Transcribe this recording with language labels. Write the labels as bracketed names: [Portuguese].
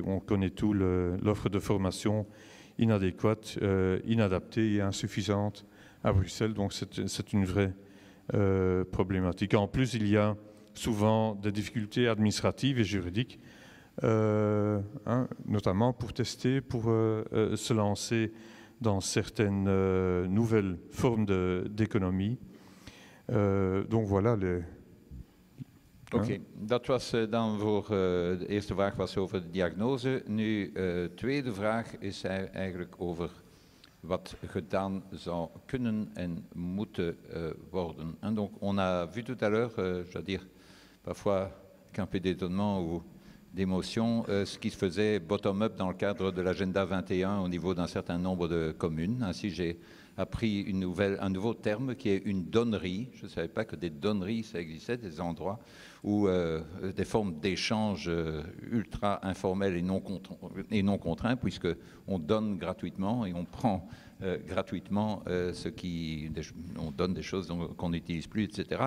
[French] On connaît tout l'offre de formation inadéquate, inadaptée et insuffisante à Bruxelles, donc c'est une vraie problématique. En plus, il y a souvent des difficultés administratives et juridiques, notamment pour tester, pour se lancer dans certaines nouvelles formes d'économie. Donc voilà. [Dutch] Ok, dat was dan voor de eerste vraag was over de diagnose. Nu tweede vraag is eigenlijk over wat gedaan zou kunnen en moeten worden. [French] En donc on a vu tout à l'heure, je veux dire. Parfois, qu'un peu d'étonnement ou d'émotion, ce qui se faisait bottom-up dans le cadre de l'agenda 21 au niveau d'un certain nombre de communes. Ainsi, j'ai appris un nouveau terme qui est une donnerie. Je ne savais pas que des donneries, ça existait, des endroits où des formes d'échanges ultra informels et non contraints, puisqu'on donne gratuitement et on prend gratuitement ce qui on donne des choses qu'on n'utilise plus, etc.